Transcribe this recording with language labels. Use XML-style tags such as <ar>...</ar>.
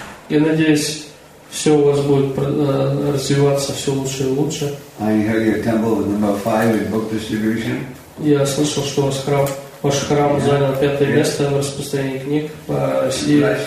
<ru>Я надеюсь, все у вас будет развиваться все лучше и лучше.</ru> <en>I heard your temple was number 5 in book distribution.</en> <ru>Я слышал, что ваш храм занял пятое место в распространении книг по России.</ru>